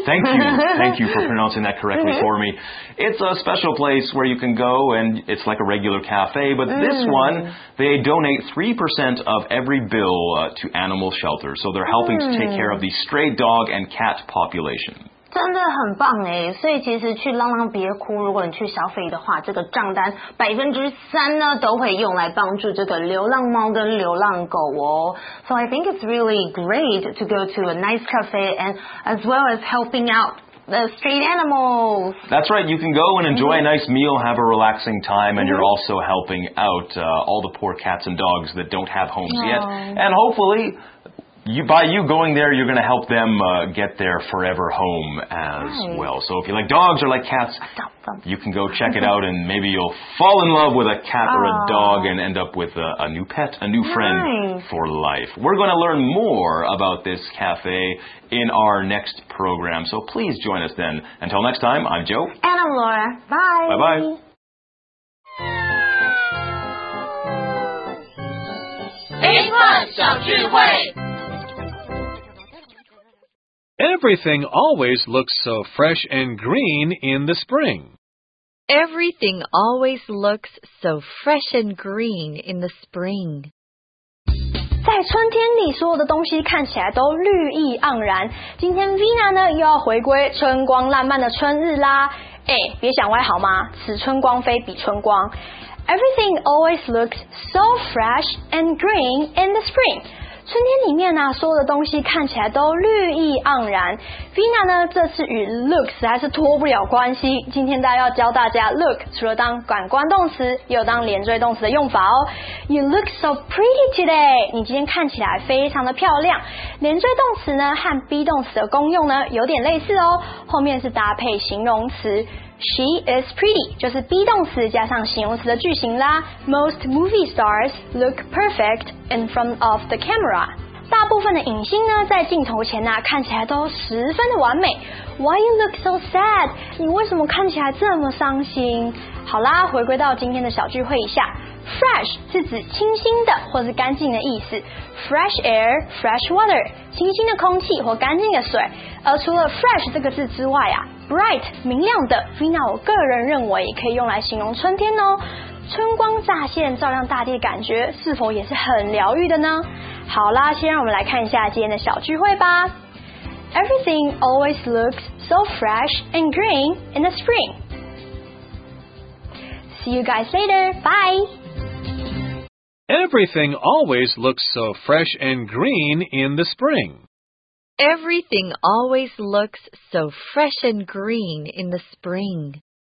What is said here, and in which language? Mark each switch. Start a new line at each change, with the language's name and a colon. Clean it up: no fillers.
English: Thank you. Thank you for pronouncing that correctly for me. It's a special place where you can go and it's like a regular cafe. But this one, they donate 3% of every bill to animal shelters. So they're helping to take care of the stray dog and cat population.
Chinese: 真的很棒耶，所以其实去浪浪别哭，如果你去消费的话，这个账单 3% 呢都会用来帮助这个流浪猫跟流浪狗哦。
English: So I think it's really great to go to a nice cafe and as well as helping outThe street animals. That's right. You can go and enjoy a nice meal, have a relaxing time, and you're also helping out all the poor cats and dogs that don't have homes yet. And hopefully, By you going there, you're going to help them get their forever home as well. So if you like dogs or like cats, you can go check it out, and maybe you'll fall in love with a cat or a dog and end up with a new pet, a new friend for life. We're going to learn more about this cafe in our next program, so please join us then. Until next time, I'm Joe. And I'm Laura. Bye. Bye-bye. Everything always looks so fresh and green in the spring. Everything always looks so fresh and green in the spring.
Chinese: 在春天里，所有的东西看起来都绿意盎然。今天 Vina 呢又要回归春光烂漫的春日啦。哎，别想歪好吗？此春光非彼春光。
English: Everything always looks so fresh and green in the spring.
Chinese: 春天里面呢，所有的东西看起来都绿意盎然。 Vina 呢，这次与 looks 还是脱不了关系。今天大家要教大家 look 除了当感官动词，又当连缀动词的用法哦。
English: You look so pretty today.
Chinese: 你今天看起来非常的漂亮。连缀动词呢和 be 动词的功用呢有点类似哦，后面是搭配形容词。
English: She is pretty
Chinese: 就是 be 动词加上形容词的句型啦。
English: Most movie stars look perfect in front of the camera.
Chinese: 大部分的影星呢在镜头前啊看起来都十分的完美。
English: Why you look so sad?
Chinese: 你为什么看起来这么伤心？好啦，回归到今天的小聚会一下。 Fresh 是指清新的或是干净的意思。
English: Fresh air, fresh water
Chinese: 清新的空气或干净的水。而除了 fresh 这个字之外啊，Bright 明亮的 Vina 我个人认为也可以用来形容春天哦。春光乍现照亮大地，感觉是否也是很疗愈的呢？好啦，先让我们来看一下今天的小聚会吧。
English: Everything always looks so fresh and green in the spring. See you guys later, bye. Everything always looks so fresh and green in the spring Everything always looks so fresh and green in the spring.